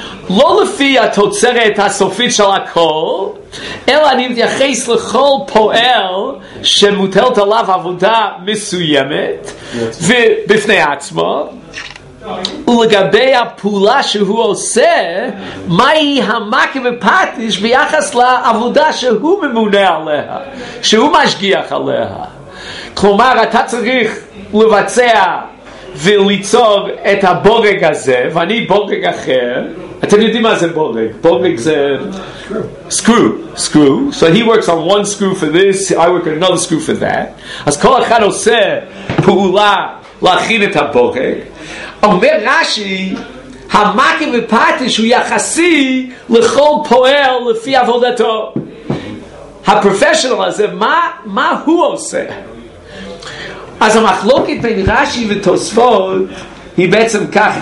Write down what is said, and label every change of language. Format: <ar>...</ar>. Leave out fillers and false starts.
<he>לא לפי התוצרת הסופית של הכל, אלא אני מתייחס לכל פועל שמוטלת עליו עבודה מסוימת ובפני עצמו, ולגבי הפעולה שהוא עושה, מהי המעקב הפטיש ביחס לעבודה שהוא ממונה עליה, שהוא משגיח עליה. כלומר, אתה צריך לבצע וליצור את הבורג הזה, ואני בורג אחר. אתם יודעים מה זה בורג? בורג זה...</he> <en>Screw. So he works on one screw for this, I work on another screw for that.</en> <he>אז כל אחד עושה פעולה להכין את הבורג. אומר רש"י, המעקב הפטיש הוא יחסי לכל פועל לפי עבודתו. הפרופשיונל הזה, מה הוא עושה? אז המחלוקת בין רש"י ותוספות היא בעצם כך.</he>